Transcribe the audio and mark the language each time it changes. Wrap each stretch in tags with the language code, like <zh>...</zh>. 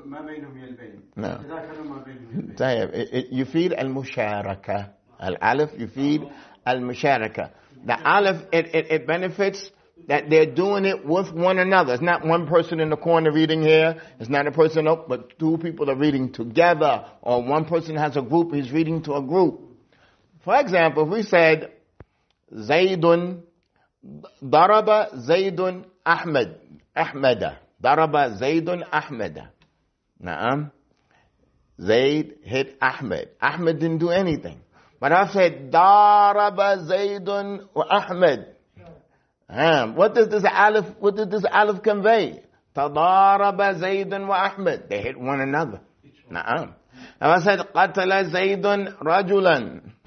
<ar>يتكلم ما بينهم يا البين يتداول ما بينهم يا البين. يفيد المشاركة الألف يفيد المشاركة.</ar> <en>The ألف it benefits that they're doing it with one another. It's not one person in the corner reading here. It's not a person up, but two people are reading together. Or one person has a group, he's reading to a group. For example, if we said Zaydun</en> <ar>ضرب زيد أحمد أحمد ضرب زيد أحمد. نعم.</ar> <en>زيد hit أحمد. أحمد didn't do anything. But I said</en> <ar>ضرب زيد أحمد.</ar> <en>What does this aleph, what does this aleph convey?</en> <ar>تضارب زيد وأحمد.</ar> <en>They hit one another. نعم. And I said</en> <ar>قتل زيد رجلا.</ar>